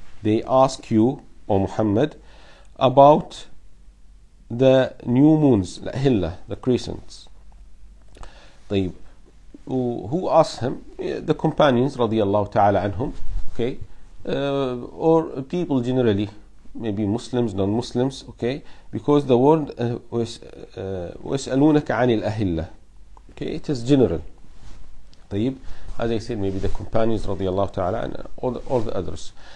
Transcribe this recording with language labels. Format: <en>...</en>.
<en>They ask you, O Muhammad, about the new moons, الْأَهِلَّةِ, the crescents. طيب, who asks him? The companions,</en> <ar>رضي الله تعالى عنهم.</ar> <en>Okay. Or people generally, maybe Muslims, non-Muslims, okay? Because the word</en> <ar>وَيَسْأَلُونَكَ عَنِ الْأَهِلَّةِ,</ar> <en>okay? It is general. طيب, as I said, maybe the companions</en> <ar>رضي الله تعالى عنه,</ar> <en>all the others.</en>